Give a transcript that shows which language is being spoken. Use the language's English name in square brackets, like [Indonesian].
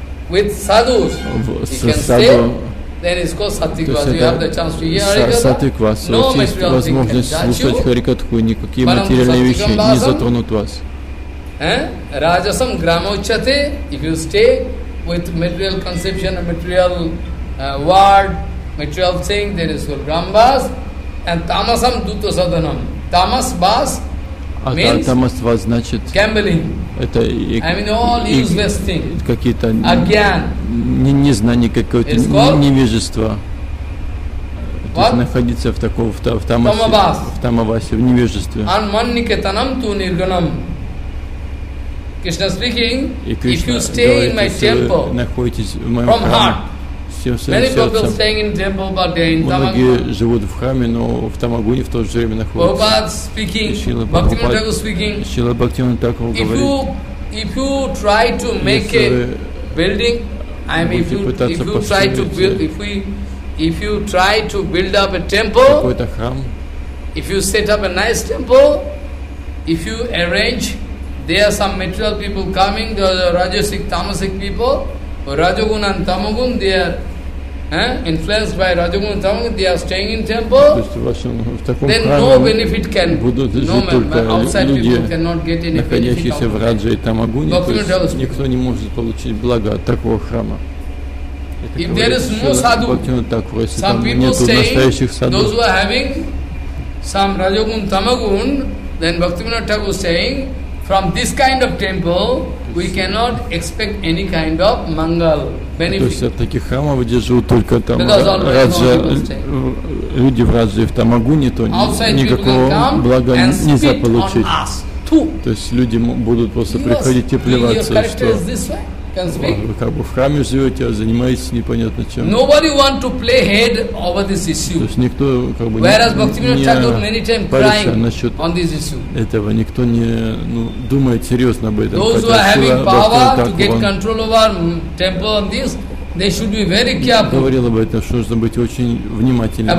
[English] with sadhus, you can say, then it's called satyakvasa. You have the chance to hear satyakvasa. No material thing can touch you. [Russian] Harikatha, никакие материальные вещи не затронут вас. [Sanskrit] Rajasam gramochate, [English] if you stay with material conception, material word, material thing, then it's called grambas. And [Sanskrit] tamasam duto sadhanam. [English] Tamas bas means [Russian] tamas bas значит [English] gambling. [Russian] Это [English] и, I mean, all useless thing. [Russian] Какие-то незнание какое-то, невежество. [English] What? [Russian] То находиться в таком в тамавасе, в невежестве. [Sanskrit] Анманникетанам ту нирганам. Кришна speaking, [Russian] и Кришна, [English] if you stay in my temple, [Russian] находитесь в моем [English] from heart. Many people staying in temple, but they in tamagun. [Russian] Многие живут в храме, но в тамагуне в то же время находятся. [English] Prabhupada speaking. [Russian] Шрила [English] Прабхупад speaking. [Russian] Шрила Бхактивинода Тхакур говорит. [English] If you try to make a building, I mean, if you try to build up a temple, [Russian] какой-то храм, [English] if you set up a nice temple, if you arrange there are some material people coming, the rajasic, tamasic people, rajagun and tamagun, they are influenced by rajagun and tamagun, they are staying in temple, then no benefit can, outside people cannot get any benefit [Russian] of Раджа и Тамагуне, то есть никто не может получить благо от такого храма. [English] If there is no sadhu, some people staying, those who are having some rajagun, tamagun, then Bhaktivinoda Thakur is saying, from this kind of temple, we cannot expect any kind of mangal benefit. [Russian] То есть от таких храмов, где живут только там раджа, люди в раджа и в тамагуне, то никакого блага нельзя получить. То есть люди будут просто приходить и плеваться, что вы как бы в храме живете, а занимаетесь непонятно чем. [English] Nobody want to play head over this issue. [Russian] То есть никто как бы не парится насчет этого. Никто не думает серьезно об этом. [English] Those who are having power to get control over temple and this, they should be very careful. [Russian] Говорил об этом, что нужно быть очень внимательным.